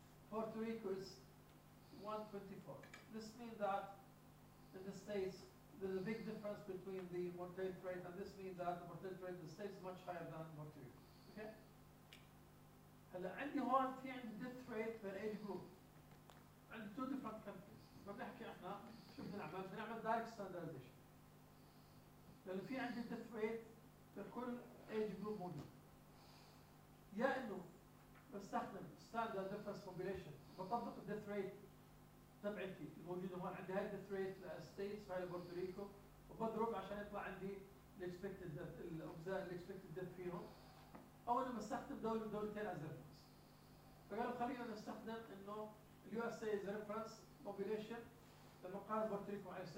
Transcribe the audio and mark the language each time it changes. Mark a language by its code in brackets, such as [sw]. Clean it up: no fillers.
[en] Puerto Rico is 124. This means that in the states there's a big difference between the mortality rate, and this means that the mortality rate in the states is much higher than Puerto Rico. Okay? [ar] هلا عندي هون في عندي [en] death rate per age group [ar] عندي [en] two different countries. [ar] فبنحكي احنا شو بنعمل؟ بنعمل [en] direct standardization. [ar] لانه في عندي [en] death rate per [ar] كل [en] age group [ar] موجود. يا انه بستخدم [en] standard difference population [ar] بطبق [en] death rate [ar] تبعتي الموجودة هون عندي هاي death rate للstates وهي لبورتو ريكو وبضرب عشان يطلع عندي الـ [en] expected death [ar] الـ [en] observed expected death [ar] فيهم. أو أنا بستخدم دولة دولتين [en] as reference. [ar] فقالوا خلينا نستخدم إنه الـ USA [en] is reference population [ar] لمقارنة بورتو ريكو مع USA.